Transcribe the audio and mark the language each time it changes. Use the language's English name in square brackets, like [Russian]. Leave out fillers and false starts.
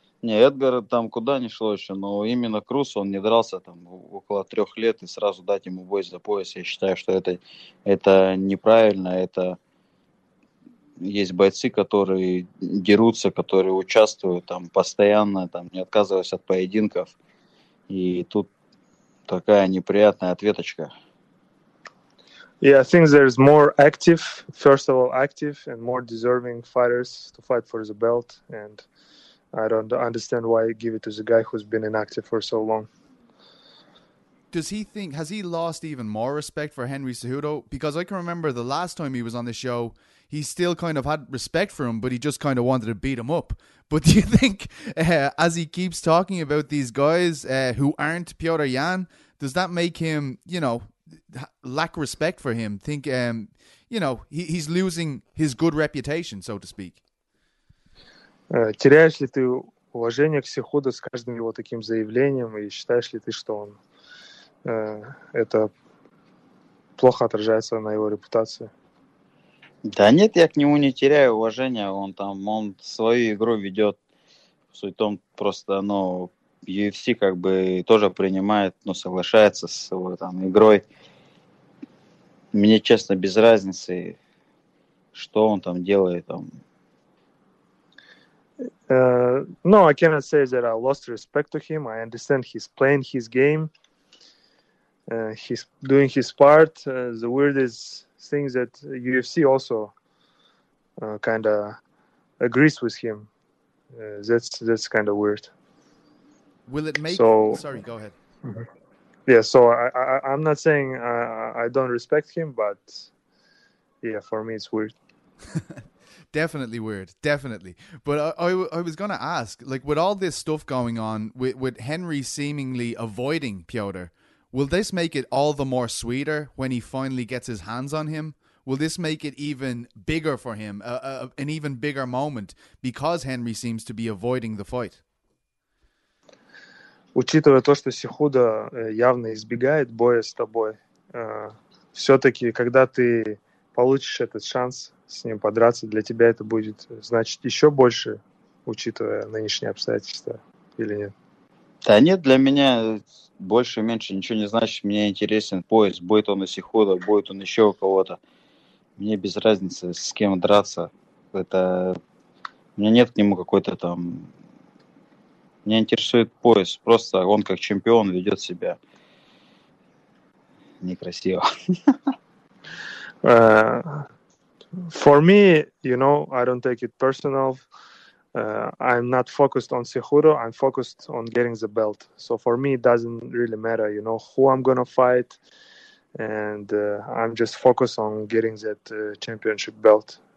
[Russian] Не, Эдгар там куда ни шло еще, но именно Крус, он не дрался там около 3 лет, и сразу дать ему бой за пояс, я считаю, что это неправильно, это есть бойцы, которые дерутся, которые участвуют там постоянно, там не отказываясь от поединков, и тут такая неприятная ответочка. [English] Yeah, I think there's more active, first of all, active and more deserving fighters to fight for the belt, and I don't understand why you give it to the guy who's been inactive for so long. Does he think, has he lost even more respect for Henry Cejudo? Because I can remember the last time he was on the show, he still kind of had respect for him, but he just kind of wanted to beat him up. But do you think, as he keeps talking about these guys who aren't Piotr Jan, does that make him, you know, lack respect for him? Think, you know, he's losing his good reputation, so to speak. [Russian] Теряешь ли ты уважение к Сехудо с каждым его таким заявлением, и считаешь ли ты, что он это плохо отражается на его репутации? Да нет, я к нему не теряю уважения. Он там, он свою игру ведет. Суть в том, просто, ну, UFC как бы тоже принимает, но соглашается с его там игрой. Мне, честно, без разницы, что он там делает там. [English] No, I cannot say that I lost respect to him. I understand he's playing his game. He's doing his part. The weirdest thing that UFC also kind of agrees with him. That's kind of weird. Will it make... Sorry, go ahead. Yeah, so I'm not saying I don't respect him, but yeah, for me it's weird. Definitely weird, definitely. But I was going to ask, like, with all this stuff going on, with Henry seemingly avoiding Piotr, will this make it all the more sweeter when he finally gets his hands on him? Will this make it even bigger for him, an even bigger moment, because Henry seems to be avoiding the fight? [Russian] Учитывая то, что Сехудо явно избегает боя с тобой, все-таки, когда ты получишь этот шанс с ним подраться, для тебя это будет значить еще больше, учитывая нынешние обстоятельства, или нет? Да нет, для меня больше и меньше ничего не значит. Мне интересен пояс, будет он у Сехудо, будет он еще у кого-то. Мне без разницы, с кем драться. Это... У меня нет к нему какой-то там... Меня интересует пояс. Просто он как чемпион ведет себя некрасиво. [English] For me, you know, I don't take it personal. I'm not focused on Cejudo. I'm focused on getting the belt. So for me, it doesn't really matter, you know, who I'm going to fight. And I'm just focused on getting that championship belt.